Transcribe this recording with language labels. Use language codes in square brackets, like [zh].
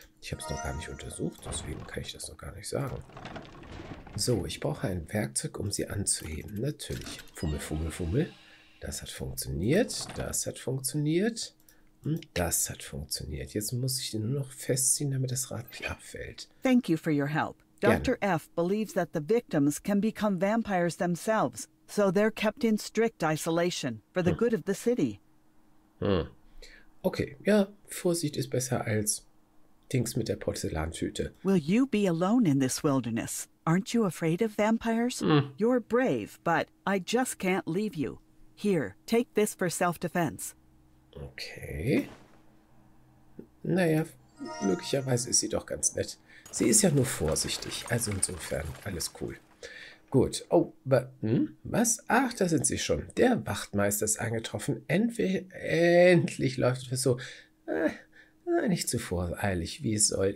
[de] Ich habe es noch gar nicht untersucht, deswegen kann ich das noch gar nicht sagen. So, ich brauche ein Werkzeug, um sie anzuheben. Natürlich. Fummel. Das hat funktioniert. Das hat funktioniert. Und das hat funktioniert. Jetzt muss ich ihn nur noch festziehen, damit das Rad nicht abfällt. [en] Thank you for your help. Dr. F. believes that the victims can become vampires themselves So they're kept in strict isolation for the good of the city. Hm. [de] Okay, ja, Vorsicht ist besser als Dings mit der Porzellantüte. [en] Will you be alone in this wilderness? Aren't you afraid of vampires? Hm. You're brave, but I just can't leave you. Here, take this for self-defense. Okay. [de] Naja, möglicherweise ist sie doch ganz nett. Sie ist ja nur vorsichtig, also insofern alles cool. Gut. Oh, was? Ach, da sind sie schon. Der Wachtmeister ist eingetroffen. Endlich läuft es so. Nicht zu voreilig, wie es soll.